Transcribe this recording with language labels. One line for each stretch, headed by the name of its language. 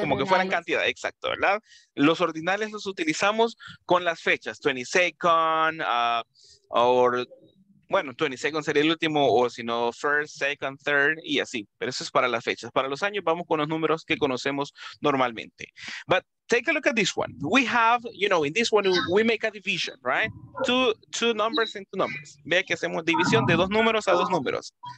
Spanish: Como que fueran cantidad, exacto, ¿verdad? Los ordinales los utilizamos con las fechas, 22nd, or... Bueno, 22nd sería el último, o si no,
English: first, second, third,
Spanish: y así. Pero eso es para las fechas. Para los años vamos con los números que conocemos normalmente.
English: But take a look at this one. We have, you know, in this one, we make a division, right? Two numbers and two numbers.
Spanish: Vea que hacemos división de dos números a dos números.